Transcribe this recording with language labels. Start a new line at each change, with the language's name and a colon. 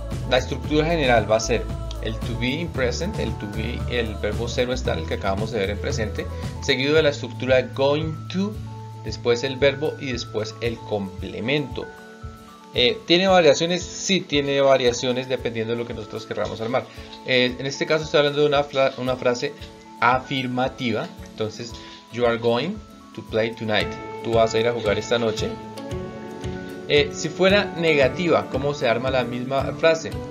Spanish: La estructura general va a ser el to be in present, el to be, el verbo ser o estar, el que acabamos de ver en presente, seguido de la estructura going to, después el verbo y después el complemento. ¿Tiene variaciones? Sí, tiene variaciones dependiendo de lo que nosotros queramos armar. En este caso estoy hablando de una frase afirmativa. Entonces,
English: you are going to play tonight.
Spanish: Tú vas a ir a jugar esta noche. Si fuera negativa, ¿cómo se arma la misma frase?